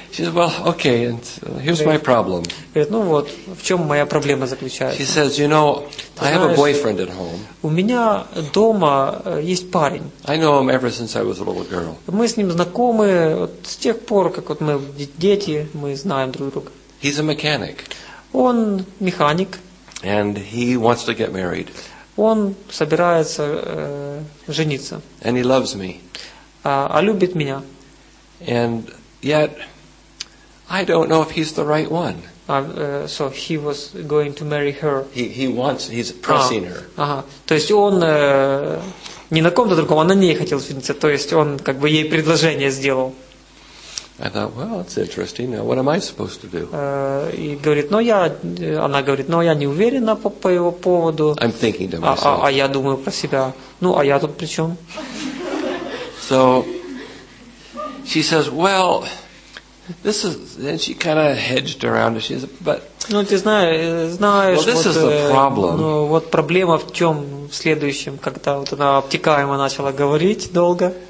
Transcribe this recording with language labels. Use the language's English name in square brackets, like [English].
[English] She said, "Well, okay, and here's my problem." [Russian] Говорит: "Ну вот, в чем моя проблема заключается?" [English] She says, "You know, I have a boyfriend at home." [Russian] У меня дома есть парень. [English] I know him ever since I was a little girl. [Russian] Мы с ним знакомы с тех пор, как мы дети, мы знаем друг друга. [English] He's a mechanic. [Russian] Он механик. [English] And he wants to get married. [Russian] Он собирается жениться. [English] And he loves me. [Russian] А любит меня. [English] And yet, I don't know if he's the right one. So he was going to marry her. He's pressing her. [Russian] Ага. То есть он не на ком-то другом, а на ней хотел жениться. То есть он как бы ей предложение сделал. [English] I thought, well, that's interesting. Now, what am I supposed to do? [Russian] И говорит, но я, она говорит, но я не уверена по его поводу. [English] I'm thinking to myself. [Russian] А я думаю про себя. Ну, а я тут при чем? [English] So she says, well. This is, then she kind of hedged around it. She says, but. [Russian] Ну, ты знаешь, [English] well, this is the problem. [Russian] Ну, вот проблема в чем в следующем, когда вот она обтекаемо начала говорить долго.